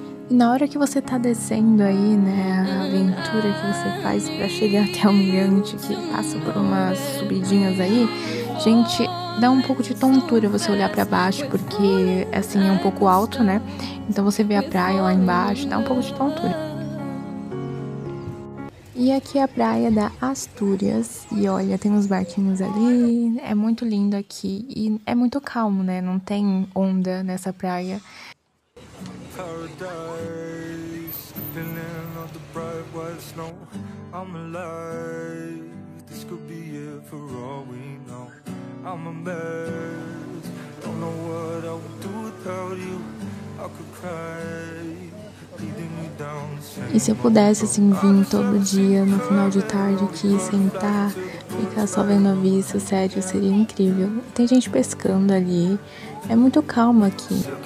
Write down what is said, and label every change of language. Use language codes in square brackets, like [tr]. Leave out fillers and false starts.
[pt] Na hora que você tá descendo aí, né, a aventura que você faz pra chegar até o mirante, que passa por umas subidinhas aí, gente, dá um pouco de tontura você olhar pra baixo, porque, assim, é um pouco alto, né, então você vê a praia lá embaixo, dá um pouco de tontura. E aqui é a praia da Astúrias, e olha, tem uns barquinhos ali, é muito lindo aqui, e é muito calmo, né, não tem onda nessa praia. [en] Paradise, feeling of the bright white snow. I'm alive, this could be it for all we know. I'm a mess, don't know what I would do without you. I could cry. [pt] E se eu pudesse, assim, vir todo dia no final de tarde aqui, sentar, ficar só vendo a vista, sério, seria incrível. Tem gente pescando ali, é muito calmo aqui.